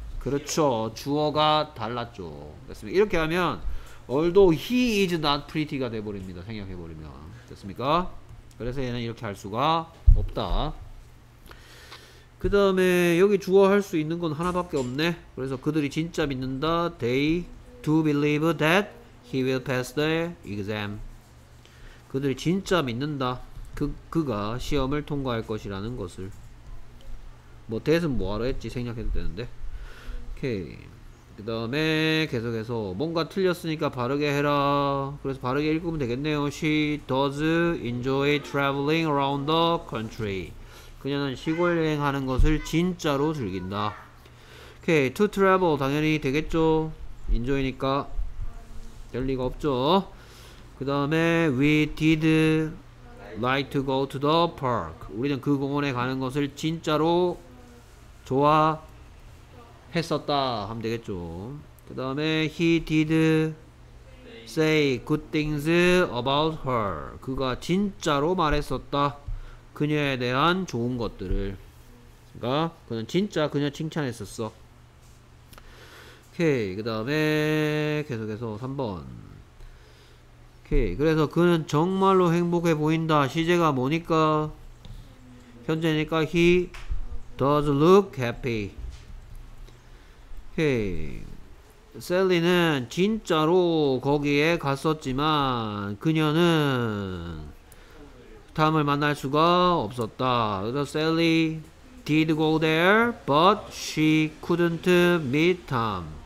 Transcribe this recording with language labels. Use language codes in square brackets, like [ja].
[ko] 그렇죠. 주어가 달랐죠. 됐습니까? 이렇게 하면 [en] although he is not pretty [ko] 가 돼버립니다. 생략해버리면. 됐습니까? 그래서 얘는 이렇게 할 수가 없다. 그 다음에 여기 주어 할 수 있는 건 하나밖에 없네. 그래서 그들이 진짜 믿는다. [en] They do believe that he will pass the exam. [ko] 그들이 진짜 믿는다. 그가 시험을 통과할 것이라는 것을. 뭐 that은 뭐하러 했지? 생략해도 되는데. 오케이. 그 다음에 계속해서 뭔가 틀렸으니까 바르게 해라. 그래서 바르게 읽으면 되겠네요. [en] She does enjoy traveling around the country. [ko] 그녀는 시골 여행하는 것을 진짜로 즐긴다. [en] Okay, to travel [ko] 당연히 되겠죠. enjoy니까 될 리가 없죠. 그 다음에 [en] we did like to go to the park. [ko] 우리는 그 공원에 가는 것을 진짜로 좋아 했었다 하면 되겠죠. 그 다음에 [en] he did say good things about her. [ko] 그가 진짜로 말했었다. 그녀에 대한 좋은 것들을. 그러니까 그는 진짜 그녀 칭찬했었어. 오케이, 그 다음에 계속해서 3번. 오케이, 그래서 그는 정말로 행복해 보인다. 시제가 뭐니까? 현재니까 [en] he does look happy. [ko] 오케이. 셀리는 진짜로 거기에 갔었지만 그녀는 탐을 만날 수가 없었다. 그래서 셀리 [en] did go there but she couldn't meet Tom.